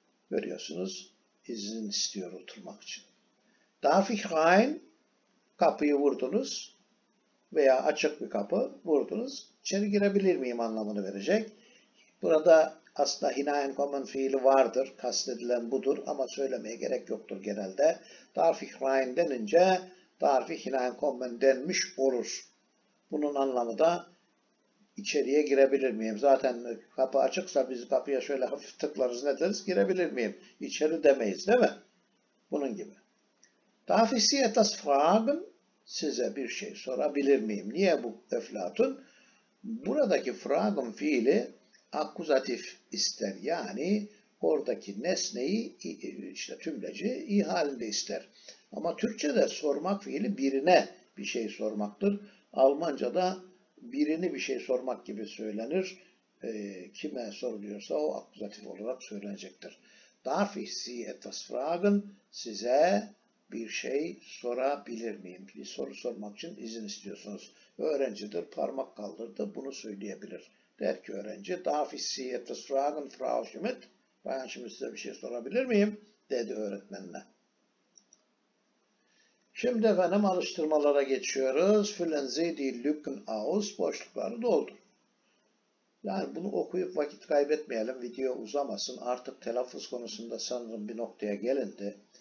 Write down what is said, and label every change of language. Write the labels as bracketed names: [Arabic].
[Turkish] Görüyorsunuz, izin istiyor oturmak için. [German] Darf ich rein? [Turkish] Kapıyı vurdunuz veya açık bir kapı vurdunuz. İçeri girebilir miyim anlamını verecek. Burada aslında hineinkommen fiili vardır. Kastedilen budur ama söylemeye gerek yoktur genelde. [German] Darf ich rein [Turkish] denince [German] darf ich hineinkommen [Turkish] denmiş olur. Bunun anlamı da içeriye girebilir miyim? Zaten kapı açıksa biz kapıya şöyle hafif tıklarız, ne deriz? Girebilir miyim? İçeri demeyiz, değil mi? Bunun gibi. [German] Darf ich Sie etwas fragen? [Turkish] Size bir şey sorabilir miyim? Niye bu Eflatun? Buradaki fragen fiili akkuzatif ister. Yani oradaki nesneyi, işte tümleci ihalinde ister. Ama Türkçe'de sormak fiili birine bir şey sormaktır. Almanca'da birini bir şey sormak gibi söylenir. Kime soruluyorsa o akkuzatif olarak söylenecektir. [German] Darf ich Sie etwas fragen? [Turkish] Size bir şey sorabilir miyim? Bir soru sormak için izin istiyorsunuz. Öğrencidir, parmak kaldırdı, bunu söyleyebilir. Der ki öğrenci, [German] Darf ich Sie etwas fragen, Frau Schmidt? [Turkish] Bayan Schmidt, size bir şey sorabilir miyim? Dedi öğretmenine. Şimdi efendim alıştırmalara geçiyoruz. [German] Füllen Sie die Lücken aus, [Turkish] boşlukları doldur. Yani bunu okuyup vakit kaybetmeyelim, video uzamasın. Artık telaffuz konusunda sanırım bir noktaya gelindi.